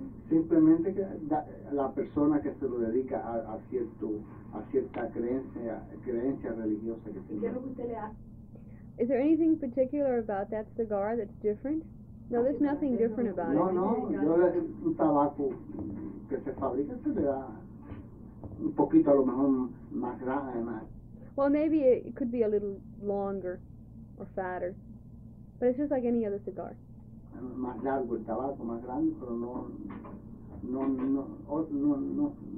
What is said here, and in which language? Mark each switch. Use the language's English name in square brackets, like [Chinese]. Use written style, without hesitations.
[Spanish] Simplemente que la persona que se lo dedica a cierta creencia religiosa que tiene. [English] Is there anything particular about that cigar that's different? No, there's nothing different about it. [Spanish] No, yo un tabaco que se fabrica se le da un poquito a lo mejor más grande, más. [English] Well, maybe it could be a little longer. Or fatter, but it's just like any other cigar. [Spanish] Más largo el tabaco, más grande, pero no.